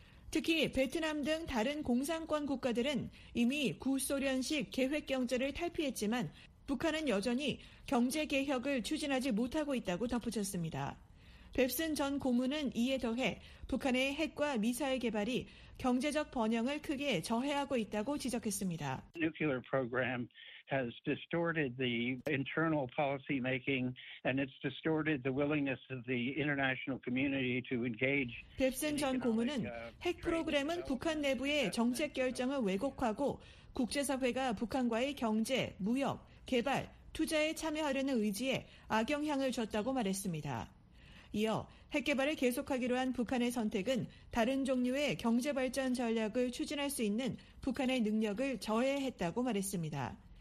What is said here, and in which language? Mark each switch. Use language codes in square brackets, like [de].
[ko] 특히 베트남 등 다른 공산권 국가들은 이미 구소련식 계획경제를 탈피했지만 북한은 여전히 경제개혁을 추진하지 못하고 있다고 덧붙였습니다. 뱁슨 전 고문은 이에 더해 북한의 핵과 미사일 개발이 경제적 번영을 크게 저해하고 있다고 지적했습니다. [en] Nuclear program has distorted the internal policy making and it's distorted the willingness of the international community to engage. [ko] 뱁슨 전 고문은 핵 프로그램은 북한 내부의 정책 결정을 왜곡하고 국제사회가 북한과의 경제, 무역, 개발, 투자에 참여하려는 의지에 악영향을 줬다고 말했습니다. 이어 핵개발을 계속하기로 한 북한의 선택은 다른 종류의 경제발전 전략을 추진할 수 있는 북한의 능력을 저해했다고 말했습니다.